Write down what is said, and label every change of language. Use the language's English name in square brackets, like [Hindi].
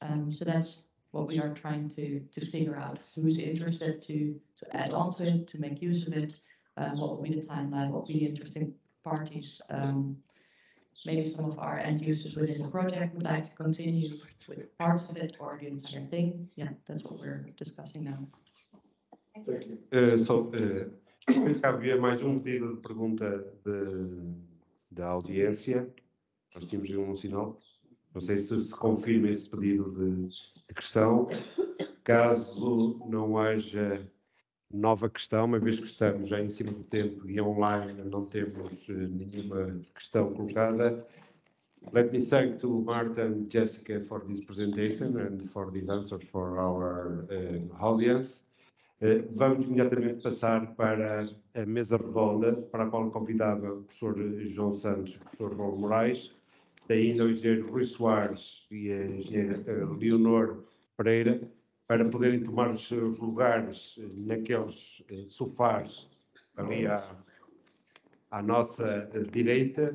[English] So that's what we are trying to figure out. Who's interested to add on to it, to make use of it, what would be the timeline, what would be interesting parties. Maybe some of our end users within the project would like to continue with parts of it or the entire thing. Yeah, that's what we're discussing now. Thank you. [Portuguese] Penso que havia mais um pedido de pergunta da audiência. Nós tínhamos um sinal. Não sei se confirma esse pedido de questão. Caso não haja nova questão, uma vez que estamos já em cima do tempo e online não temos nenhuma questão colocada. [English] Let me thank to Marta and Jessica for this presentation and for these answers for our audience. [Portuguese] Vamos imediatamente passar para a mesa redonda, para a qual convidava o professor João Santos e o professor Paulo Moraes, ainda o engenheiro Rui Soares e a engenheira Leonor Pereira, para poderem tomar os seus lugares naqueles sofás ali à nossa direita.